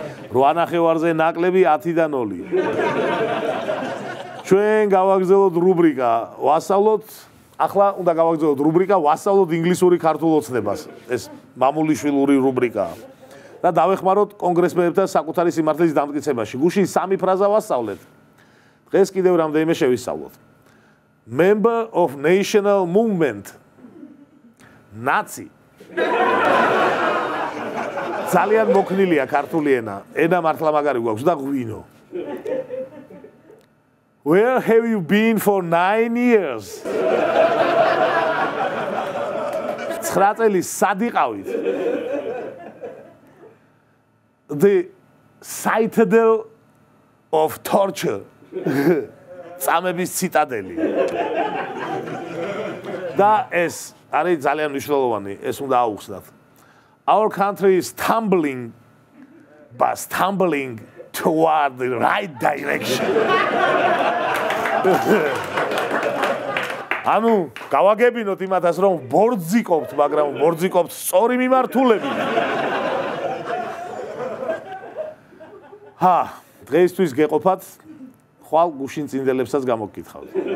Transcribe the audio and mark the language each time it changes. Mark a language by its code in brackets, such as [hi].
[ka] 8.5-ზე ნაკლები 10-დან 0. ჩვენ გავაგზავნოთ რუბრიკა. ვასწავლოთ, ახლა უნდა გავაგზავნოთ რუბრიკა, ვასწავლოთ ინგლისური ქართულ ოცნებას. ეს მამულიშვილური რუბრიკაა. და დავეხმაროთ კონგრესმენებთან საკუთარი სიმართლის დამტკიცებაში. გუშინ სამი ფრაზა ვასწავლეთ. დღეს კიდევ რამდენიმე შევისწავლოთ. [en] Member of National Movement. Nazi. [ka] ძალიან მოქნილია ქართული ენა. ენა მართლა მაგარი გვაქვს და გვინო. [en] Where have you been for 9 years? [ka] 9 წელი სად იყავით? [en] The citadel of torture. [ka] წამების ციტადელი. და ეს არის ძალიან მნიშვნელოვანი, ეს უნდა აუხსნათ. [en] Our country is tumbling, but stumbling toward the right direction. [ka] ანუ გავაგებინოთ იმათას, რომ ბორძიკობთ, მაგრამ ბორძიკობთ სწორი მიმართულებით. ჰა, დღეისთვის გეყოფათ, ხვალ გუშინ წინდელებსაც გამოგკითხავთ.